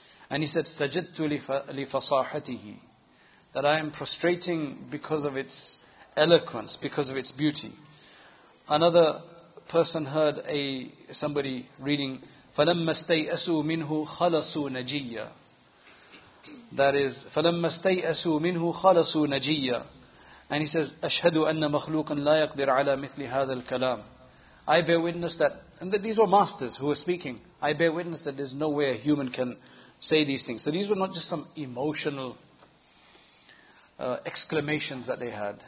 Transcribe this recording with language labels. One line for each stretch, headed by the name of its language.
English: And he said,
Arabic: سَجَدْتُ لِفَصَاحَتِهِ.
English: That I am prostrating because of its eloquence, because of its beauty. Another person heard somebody reading,
Arabic: فَلَمَّا اسْتَيْأَسُوا مِنْهُ خَلَصُوا نَجِيَّا.
English: That is,
Arabic: فَلَمَّا اسْتَيْأَسُوا مِنْهُ خَلَصُوا نَجِيَّا.
English: And he says,
Arabic: أَشْهَدُ أَنَّ مَخْلُوقًا لَا يَقْدِرْ عَلَى مِثْلِ هَذَا الْكَلَامِ.
English: I bear witness that, and that these were masters who were speaking, I bear witness that there's no way a human can say these things. So these were not just some emotional exclamations that they had.